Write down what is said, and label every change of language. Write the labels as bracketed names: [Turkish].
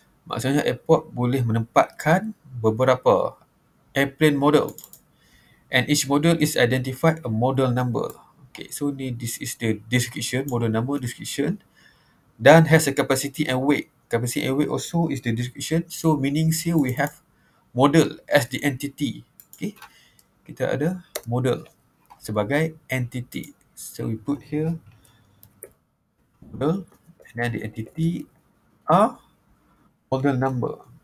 [Malay] Maksudnya airport boleh menempatkan beberapa [English] airplane model and each model is identified a model number. Okay, so ni this is the description, model number description, dan has a capacity and weight. Capacity and weight also is the description. So meaning here we have model as the entity. [Malay] Okay, kita ada model sebagai entity. [English] So we put here model and then the entity are model number.